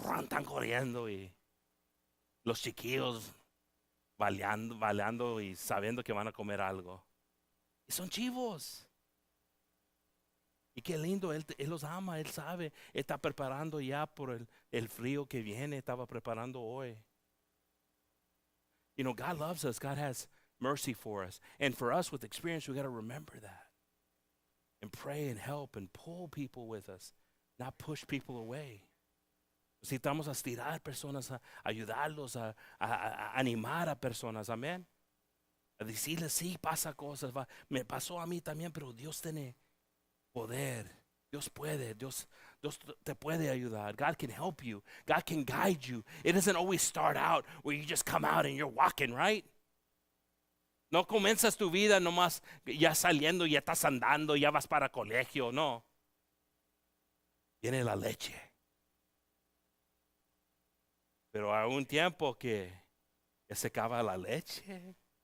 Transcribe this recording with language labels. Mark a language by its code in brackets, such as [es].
[es] Están corriendo y los chiquillos baleando y sabiendo que van a comer algo. Y son chivos. Y qué lindo, él los ama, él sabe. Él está preparando ya por el frío que viene, estaba preparando hoy. [en] You know, God loves us. God has mercy for us. And for us with experience, we got to remember that. And pray and help and pull people with us, not push people away. [es] Necesitamos estirar personas, a ayudarlos, a animar a personas. Amén. A decirles, sí, pasa cosas. Va. Me pasó a mí también, pero Dios tiene poder. Dios puede. Dios te puede ayudar. [en] God can help you. God can guide you. It doesn't always start out where you just come out and you're walking, right? [es] No comienzas tu vida nomás ya saliendo, ya estás andando, ya vas para colegio. No. Viene la leche. Pero hay un tiempo que ya se acaba la leche.